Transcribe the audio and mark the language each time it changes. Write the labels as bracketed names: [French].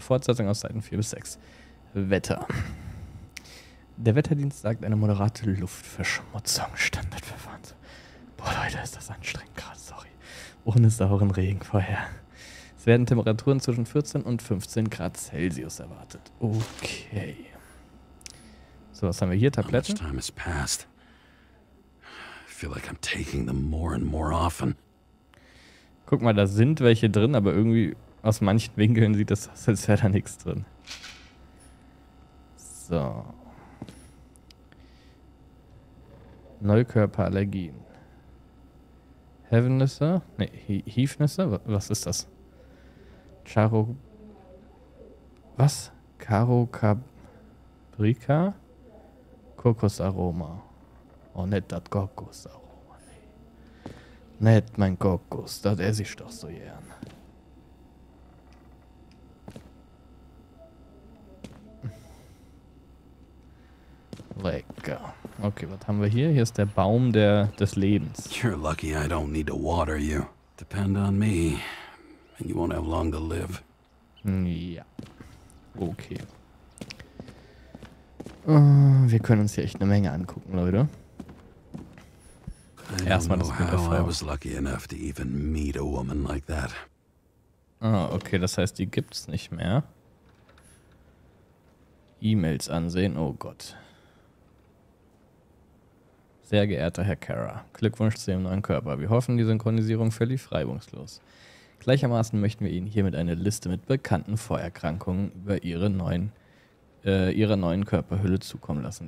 [German] Fortsetzung aus Seiten 4 bis 6. Wetter. Der Wetterdienst sagt eine moderate Luftverschmutzung. Standardverfahren. Boah, Leute, ist das anstrengend gerade, sorry. Ohne sauren Regen vorher. Es werden Temperaturen zwischen 14 und 15 Grad Celsius erwartet. Okay. So, was haben wir hier? Tabletten? [English] I feel like I'm taking them more and more often. [German] Guck mal, da sind welche drin, aber irgendwie aus manchen Winkeln sieht das aus, als wäre da nichts drin. So. Neukörperallergien. Heavennisse? Nee, Hiefnisse? Was ist das? Charo... Was? Caro Cabrica? Kokosaroma. Oh, nicht das Kokosaroma. Nee. Nicht mein Kokos, das esse ich doch so gern. Lecker. Okay, was haben wir hier? Hier ist der Baum der, des Lebens. [English] You're lucky I don't need to water you. Depend on me. And you won't have long to live. [German] Ja. Okay. Wir können uns hier echt eine Menge angucken, Leute. Erstmal das Bild der Frau. [English] I was lucky enough to even meet a woman like that. [German] Ah, okay, das heißt, die gibt's nicht mehr. E-Mails ansehen, oh Gott. Sehr geehrter Herr Kara, Glückwunsch zu Ihrem neuen Körper. Wir hoffen, die Synchronisierung völlig reibungslos. Gleichermaßen möchten wir Ihnen hiermit eine Liste mit bekannten Vorerkrankungen über Ihre neuen Körperhülle zukommen lassen.